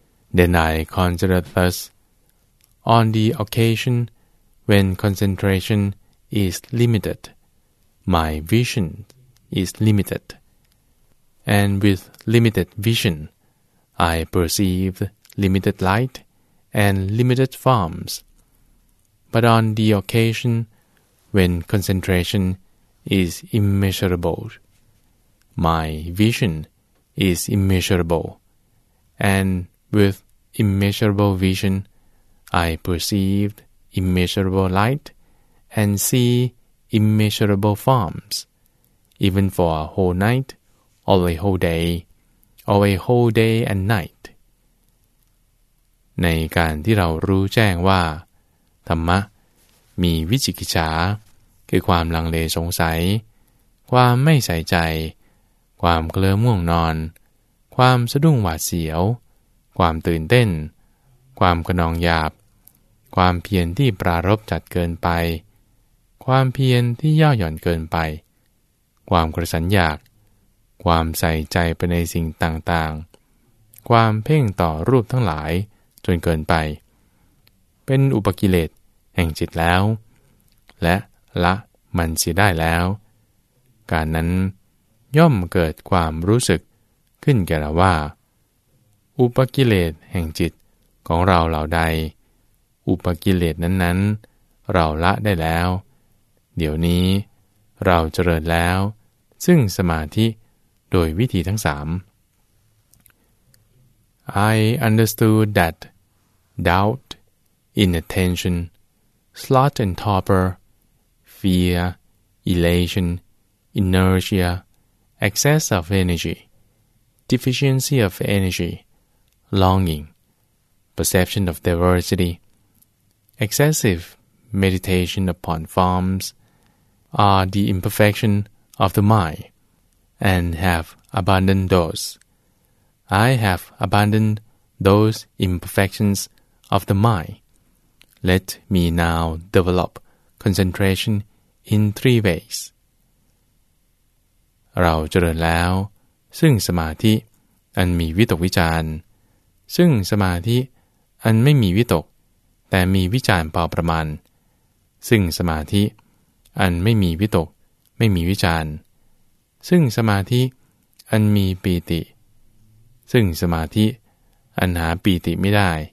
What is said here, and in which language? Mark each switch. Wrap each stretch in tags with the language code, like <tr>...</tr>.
<en>Then I consider thus, on the occasion when concentration is limited, my vision is limited, and with limited vision, I perceive limited light and limited forms. But on the occasion when concentration is immeasurable,My vision is immeasurable, and with immeasurable vision, I perceived immeasurable light and see immeasurable forms. Even for a whole night, or a whole day, or a whole day and night.</en> <th>ในการที่เรารู้แจ้งว่าธรรมะมีวิจิกิจฉาคือความลังเลสงสัยความไม่ใส่ใจความเคลิ้มง่วงนอนความสะดุ้งหวาดเสียวความตื่นเต้นความกระนองหยาบความเพียรที่ปรารภจัดเกินไป ความเพียรที่ย่อหย่อนเกินไปความกระสันอยากความใส่ใจไปในสิ่งต่างๆความเพ่งต่อรูปทั้งหลายจนเกินไป เป็นอุปกิเลสแห่งจิตแล้วและละมันเสียได้แล้วการนั้นย่อมเกิดความรู้สึกขึ้นแก่เราว่าอุปกิเลสแห่งจิตของเราเหล่าใดอุปกิเลสนั้นๆเราละได้แล้วเดี๋ยวนี้เราเจริญแล้วซึ่งสมาธิโดยวิธีทั้งสาม</th> <en>I understood that doubt, inattention, slot and torpor, fear, elation, inertia, excess of energy, deficiency of energy, longing, perception of diversity, excessive meditation upon forms, are the imperfection of the mind, and have abandoned those. I have abandoned those imperfections of the mind. Let me now develop concentration in three ways.</en> <th>เราเจริญแล้วซึ่งสมาธิอันมีวิตกวิจารณ์ซึ่งสมาธิอันไม่มีวิตกแต่มีวิจารณ์พอประมาณซึ่งสมาธิอันไม่มีวิตกไม่มีวิจารณ์ซึ่งสมาธิอันมีปีติซึ่งสมาธิอันหาปีติไม่ได้</th>